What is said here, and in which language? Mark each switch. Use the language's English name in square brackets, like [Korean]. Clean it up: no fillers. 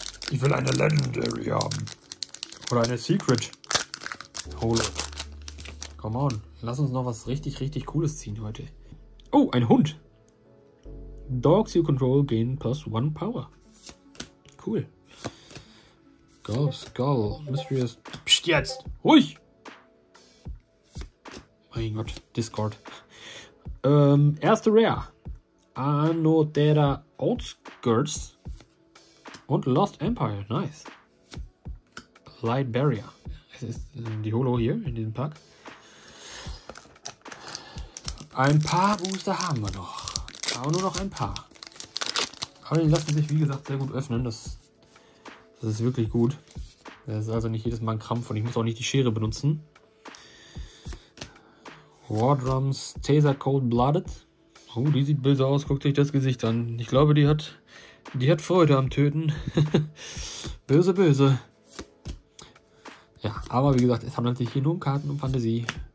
[German] Ich will eine Legendary haben. Oder eine Secret. Holo. [English] Come on. [German] Lass uns noch was richtig, richtig Cooles ziehen heute. Oh, ein Hund. [English] Dogs you control gain plus one power. Cool. Skull, Skull, Mysterious. [German] Psst, jetzt! Ruhig! Mein Gott, Discord. Erste Rare. [English] Anodera Outskirts. Und Lost Empire, nice. Light Barrier. [German] Es ist die Holo hier in diesem Pack. Ein paar Booster haben wir noch. Aber nur noch ein paar. Aber die lassen sich, wie gesagt, sehr gut öffnen. Das ist wirklich gut. Das ist also nicht jedes Mal ein Krampf und ich muss auch nicht die Schere benutzen. [English] Wardrums Taser Cold Blooded. [German] Oh, die sieht böse aus. Guckt euch das Gesicht an. Ich glaube, die hat Freude am Töten. Böse, böse. Ja, aber wie gesagt, es handelt sich hier nur um Karten und Fantasie.